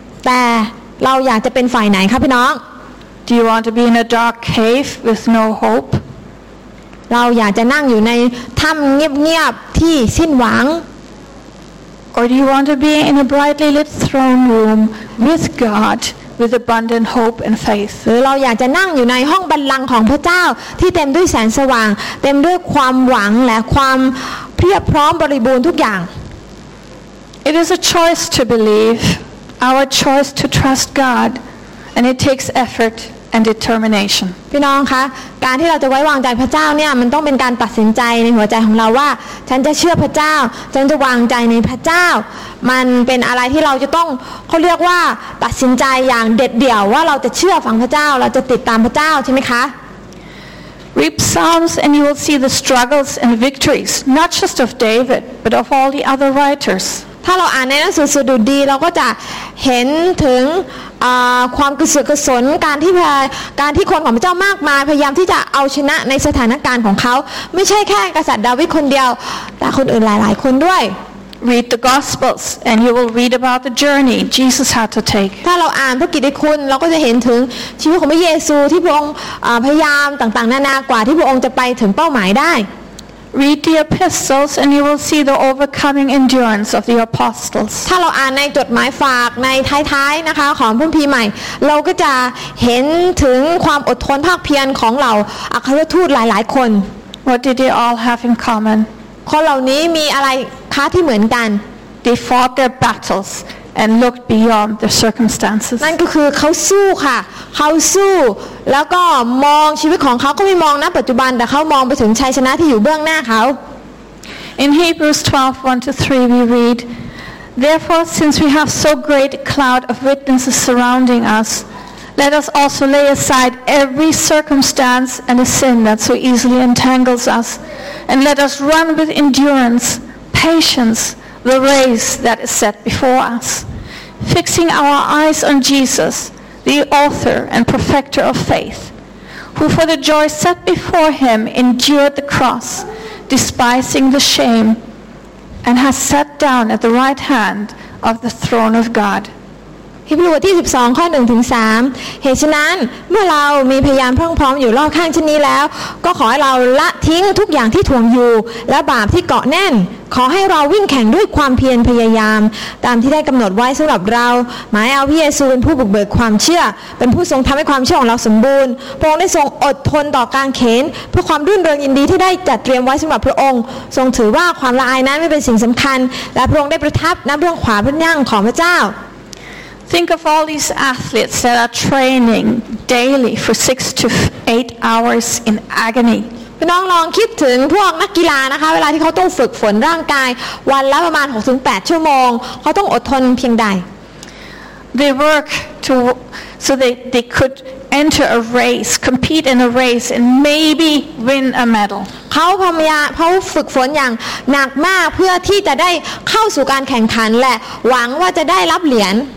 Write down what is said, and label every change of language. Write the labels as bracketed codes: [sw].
[th] แต่เราอยากจะเป็นฝ่ายไหนคะพี่น้อง [en] Do you want to be in a dark cave with no hope [th] เราอยากจะนั่งอยู่ในถ้ำเงียบๆที่สิ้นหวัง [en] Or do you want to be in a brightly lit throne room with God with abundant hope and faith [th] หรือเราอยากจะนั่งอยู่ในห้องบัลลังก์ของพระเจ้าที่เต็มด้วยแสงสว่างเต็มด้วยความหวังและความเพียบพร้อมบริบูรณ์ทุกอย่าง [en] It is a choice to believe our choice to trust God and it takes effortand determination [th] พี่น้องคะการที่เราจะไว้วางใจพระเจ้าเนี่ยมันต้องเป็นการตัดสินใจในหัวใจของเราว่าฉันจะเชื่อพระเจ้าฉันจะวางใจในพระเจ้ามันเป็นอะไรที่เราจะต้องเค้าเรียกว่าตัดสินใจอย่างเด็ดเดี่ยวว่าเราจะเชื่อฟังพระเจ้าเราจะติดตามพระเจ้าใช่มั้ยคะ [en] Read Psalms and you will see the struggles and victories not just of David but of all the other writers [th] ถ้าเราอ่านในหนังสือสดุดีเราก็จะเห็นถึงความกระเสือกกระสนการที่คนของพระเจ้ามากมายพยายามที่จะเอาชนะในสถานการณ์ของเขาไม่ใช่แค่กษัตริย์ดาวิดคนเดียวแต่คนอื่นหลายๆคนด้วย [en] Read the Gospels and you will read about the journey Jesus had to take [th] ถ้าเราอ่านพระกิตติคุณเราก็จะเห็นถึงชีวิตของพระเยซูที่พระองค์พยายามต่างๆนานากว่าที่พระองค์จะไปถึงเป้าหมายได้ [en] Read the epistles and you will see the overcoming endurance of the apostles. [th] ถ้าเราอ่านในจดหมายฝากในท้ายๆนะคะของพระคัมภีร์ใหม่เราก็จะเห็นถึงความอดทนภาคเพียรของเราอัครทูตหลายๆคน [en] What did they all have in common? [th] คนเหล่านี้มีอะไรคะที่เหมือนกัน [en] They fought their battles and looked beyond the circumstances. [th] นั่นก็คือเขาสู้ค่ะเขาสู้แล้วก็มองชีวิตของเขาก็ไม่มองณปัจจุบันแต่เขามองไปถึงชัยชนะที่อยู่เบื้องหน้าเขา [en] In Hebrews 12:1-3 we read Therefore since we have so great a cloud of witnesses surrounding us let us also lay aside every circumstance and a sin that so easily entangles us and let us run with endurance patience the race that is set before us fixing our eyes on JesusThe author and perfecter of faith, who for the joy set before him endured the cross, despising the shame, and has sat down at the right hand of the throne of God. [th] ฮีบรูบทที่12ข้อ1ถึง3เหตุฉะนั้นเมื่อเรามีพยายามพรั่งพร้อมอยู่รอบข้างเช่นนี้แล้วก็ขอให้เราละทิ้งทุกอย่างที่ถ่วงอยู่และบาปที่เกาะแน่นขอให้เราวิ่งแข่งด้วยความเพียรพยายามตามที่ได้กำหนดไว้สำหรับเราหมายเอาพระเยซูเป็นผู้บุกเบิกความเชื่อเป็นผู้ทรงทำให้ความเชื่อของเราสมบูรณ์พระองค์ได้ทรงอดทนต่อกางเขนเพื่อความรื่นเริงยินดีที่ได้จัดเตรียมไว้สำหรับพระองค์ทรงถือว่าความละอายนั้นไม่เป็นสิ่งสำคัญและพระองค์ได้ประทับณเบื้องขวาพระนั่งของพระเจ้า [en] Think of all these athletes that are training daily for 6 to 8 hours in agony [th] พี่น้องลองคิดถึงพวกนักกีฬานะคะเวลาที่เขาต้องฝึกฝนร่างกายวันละประมาณ6-8ชั่วโมงเขาต้องอดทนเพียงใด [en] They work to so they could enter a race compete in a race and maybe win a medal [th] เขาพยายามเขาฝึกฝนอย่างหนักมากเพื่อที่จะได้เข้าสู่การแข่งขันและหวังว่าจะได้รับเหรียญ